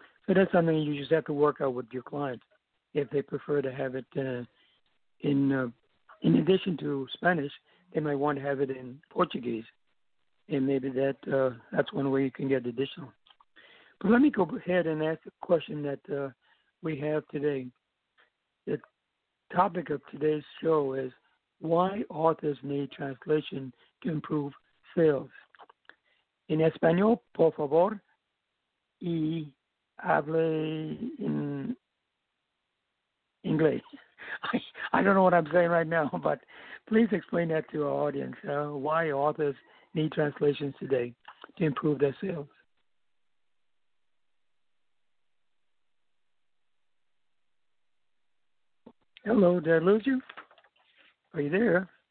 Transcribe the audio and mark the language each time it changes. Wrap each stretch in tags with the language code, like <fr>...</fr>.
<en>So that's something you just have to work out with your clients, if they prefer to have it in addition to Spanish, they might want to have it in Portuguese, and maybe that's one way you can get additional. But let me go ahead and ask the question that we have today. The topic of today's show is why authors need translation to improve sales.</en> <es>En español, por favor, y hable en inglés.</es> <en>I don't know what I'm saying right now, but please explain that to our audience, why authors need translations today to improve their sales. Hello, did I lose you? Are you there?</en>